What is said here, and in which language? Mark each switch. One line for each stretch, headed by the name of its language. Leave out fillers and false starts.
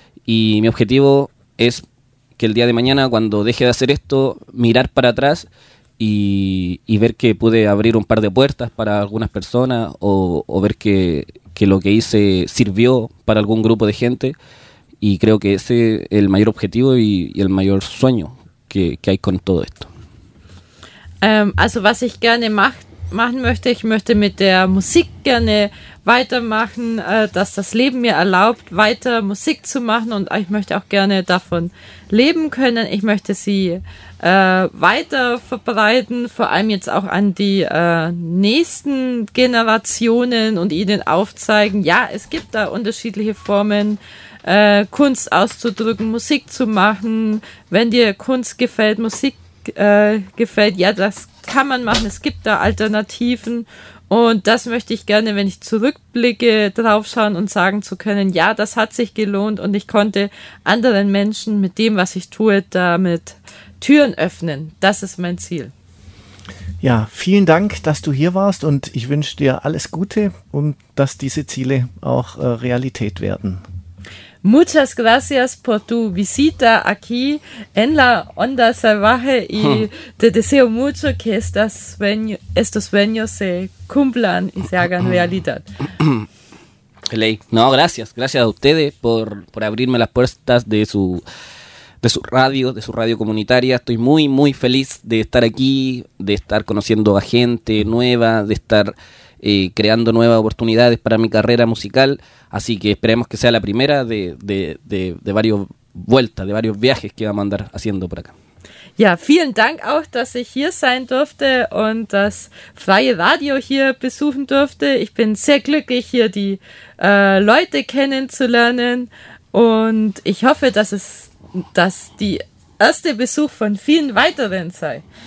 Spanish: Y mi objetivo es que el día de mañana, cuando deje de hacer esto, mirar para atrás y ver que pude abrir un par de puertas para algunas personas o ver que lo que hice sirvió para algún grupo de gente y creo que ese es el mayor objetivo y el mayor sueño que hay con todo esto.
German: Also was ich gerne machen möchte, ich möchte mit der Musik gerne weitermachen, dass das Leben mir erlaubt, weiter Musik zu machen und ich möchte auch gerne davon leben können. Ich möchte sie weiter verbreiten, vor allem jetzt auch an die nächsten Generationen und ihnen aufzeigen, ja, es gibt da unterschiedliche Formen, Kunst auszudrücken, Musik zu machen. Wenn dir Kunst gefällt, Musik gefällt, ja, das kann man machen, es gibt da Alternativen und das möchte ich gerne, wenn ich zurückblicke, draufschauen und sagen zu können, ja, das hat sich gelohnt und ich konnte anderen Menschen mit dem, was ich tue, damit Türen öffnen. Das ist mein Ziel. Ja, vielen Dank, dass du hier warst und ich wünsche dir alles Gute und dass diese Ziele auch Realität werden.
Spanish: Muchas gracias por tu visita aquí en la Onda Salvaje y te deseo mucho que estos sueños se cumplan y se hagan realidad. No, gracias. Gracias a ustedes por abrirme las puertas de su radio, de su radio comunitaria. Estoy muy, muy feliz de estar aquí, de estar conociendo a gente nueva, de estar creando nuevas oportunidades para mi carrera musical. Así que esperemos que sea la primera de varios vueltas, de varios viajes que vamos a andar haciendo por acá.
German: Ja, vielen Dank auch, dass ich hier sein durfte und das Freie Radio hier besuchen durfte. Ich bin sehr glücklich, hier die Leute kennenzulernen und ich hoffe, dass die erste Besuch von vielen weiteren sei.